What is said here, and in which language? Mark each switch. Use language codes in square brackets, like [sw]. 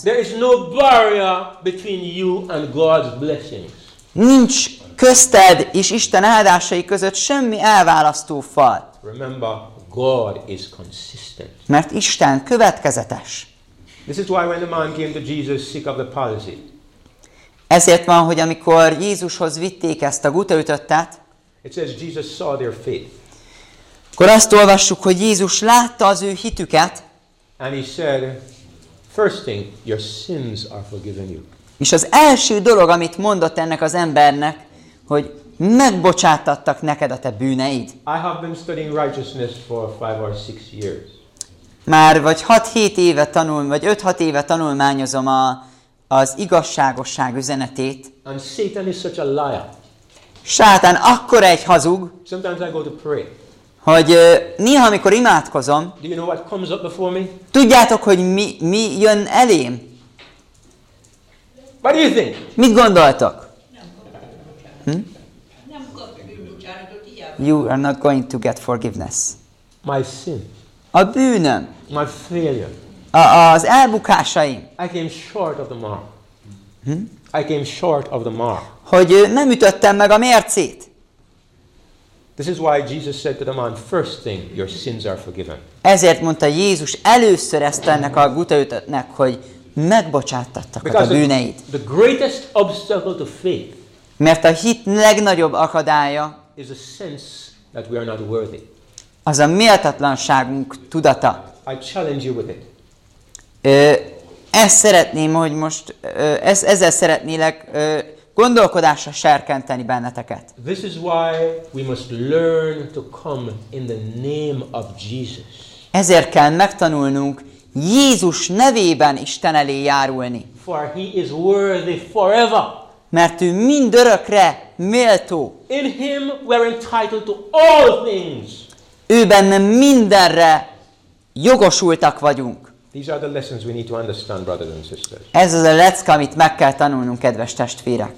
[en] There is no barrier between you and God's blessings. [hu] Nincs közted és Isten áldásai között semmi elválasztó fal. [en] Remember, God is consistent. [hu] Mert Isten következetes. [en] This is why when the man came to Jesus sick of the palsy. [hu] Ezért van, hogy amikor Jézushoz vitték ezt a gutaütöttet. [en] It says Jesus saw their faith. [hu] Akkor azt olvassuk, hogy Jézus látta az ő hitüket. [en] And he said, first thing, your sins are forgiven you. [hu] És az első dolog, amit mondott ennek az embernek, hogy megbocsátattak neked a te bűneid. [en] I have been studying righteousness for 5 or 6 years. [hu] Már vagy 6-7 éve tanul, vagy 5-6 éve tanulmányozom az igazságosság üzenetét. [en] And Satan is such a liar. [hu] Sátán akkora egy hazug. [en] Sometimes I go to pray. [hu] Hogy néha, amikor imádkozom, [en] do you know what comes up before me? [hu] Tudjátok, hogy mi jön elém? [en] What do you think? [hu] Mit gondoltok? Nem kapok bűnbocsánatot, hiába. [en] You are not going to get forgiveness. My sin. [hu] A bűnöm. [en] My failure. [hu] Az elbukásaim. [en] I came short of the mark. I came short of the mark. [hu] Hogy nem ütöttem meg a mércét. [en] This is why Jesus said to the man, first thing, your sins are forgiven. [hu] Ezért mondta Jézus először ezt ennek a gutaütöttnek, hogy megbocsátattak a bűneit. [en] The greatest obstacle to faith. [hu] Mert a hit legnagyobb akadálya [en] is a sense that we are not worthy. [hu] Az a méltatlanságunk tudata. [en] I challenge you with it. [hu] Ezt szeretném, hogy most ezzel szeretnélek gondolkodásra serkenteni benneteket. [en] This is why we must learn to come in the name of Jesus. [hu] Ezért kell megtanulnunk Jézus nevében Isten elé járulni. [en] For he is worthy forever. [hu] Mert ő mindörökre méltó. [en] In him we're entitled to all things. [hu] Ő benne mindenre jogosultak vagyunk. [en] These are the lessons we need to understand, brothers and sisters. [hu] Ez az a lecke, amit meg kell tanulnunk, kedves testvérek.